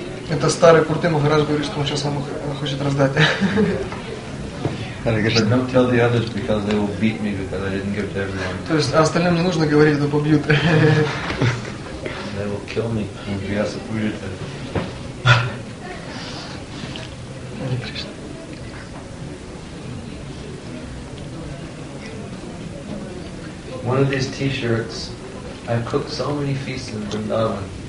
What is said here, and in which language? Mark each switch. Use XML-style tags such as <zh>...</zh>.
<ru>Это старые курты, Махарадж говорит, что он сейчас вам их хочет раздать.</ru> <en>But don't tell the others because they will beat me because I didn't give to everyone.</en> <ru>То есть остальным не нужно говорить, но побьют.</ru> <en>They will kill me in Vyasa-puja. Hare Krishna. One of these t-shirts, I cooked so many feasts in Vrindavan.</en>